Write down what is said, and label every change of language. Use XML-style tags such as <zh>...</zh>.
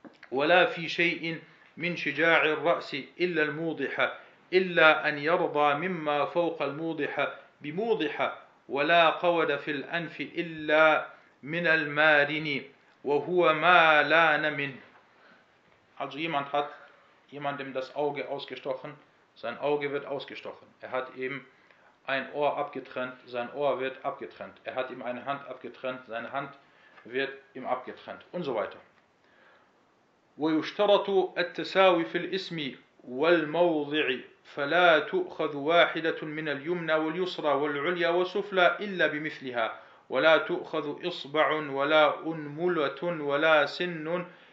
<ar>ولا في شيء من شجاع الرأس إلا الموضحة إلا أن يرضى مما فوق الموضحة بموضحة ولا قود في الأنف إلا من المارن وهو ما لان منه.</ar> <de>Also jemand hat jemandem das Auge ausgestochen. Sein Auge wird ausgestochen. Er hat ihm ein Ohr abgetrennt. Sein Ohr wird abgetrennt. Er hat ihm eine Hand abgetrennt. Seine Hand wird ihm abgetrennt. Und so weiter.</de> <ar>ويشترط التساوي في الاسم والموضع فلا تؤخذ واحدة من اليمنى واليسرى والعليا والسفلى إلا بمثلها ولا تؤخذ إصبع ولا أنملة ولا سن</ar>